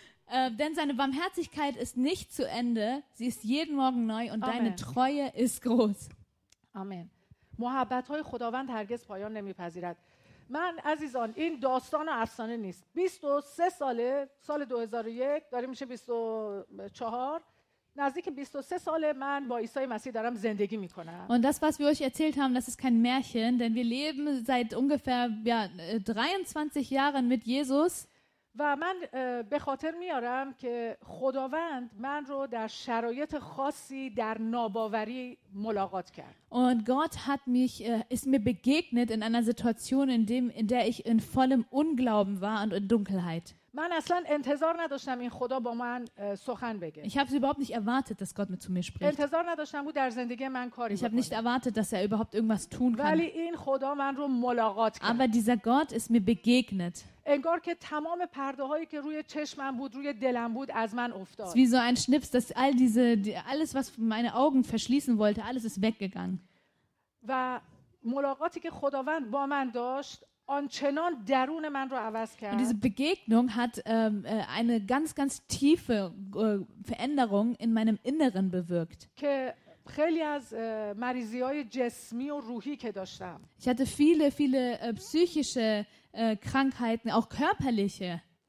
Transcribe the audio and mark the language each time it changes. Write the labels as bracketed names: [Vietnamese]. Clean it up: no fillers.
[German] Denn seine Barmherzigkeit ist nicht zu Ende, sie ist jeden Morgen neu und Amen. Deine Treue ist groß. Amen. [Persian] محبت‌های خداوند هرگز پایان نمی‌پذیرد. من عزیزان این داستان و افسانه نیست. 23 ساله سال 2001 داره میشه 24 نزدیک 23 ساله من با عیسی مسیح دارم زندگی می‌کنم. [German] Und das was wir euch erzählt haben, das ist kein Märchen, denn wir leben seit ungefähr ja 23 Jahren mit Jesus. [Persian] و من به خاطر میارم که خداوند من رو در شرایط خاصی در ناباوری ملاقات کرد. [German] Und Gott hat mich ist mir begegnet in einer Situation in der ich in vollem Unglauben war und in Dunkelheit. [Persian] من اصلا انتظار نداشتم این خدا با من سخن بگه. [German] Ich habe überhaupt nicht erwartet, dass Gott mit zu mir spricht. [Persian] انتظار نداشتم او در زندگی من کاری بکنه. [German] Ich habe nicht erwartet, dass er überhaupt irgendwas tun kann. [Persian] ولی این خدا من رو ملاقات کرد. [German] Aber dieser Gott ist mir begegnet. [Persian] انگار که تمام پرده هایی که روی چشمم بود روی دلم بود از من افتاد. [German] Wie so ein Schnips, dass all diese alles was meine Augen verschließen wollte, alles ist weggegangen. [Persian] و ملاقاتی که خداوند با من داشت آنچنان درون من رو عوض کرد. [German] Und diese Begegnung hat eine ganz ganz tiefe Veränderung in meinem Inneren bewirkt. [Persian] که خیلی از مریضی های جسمی و روحی که داشتم. [German] Ich hatte viele viele psychische Krankheiten, auch körperliche.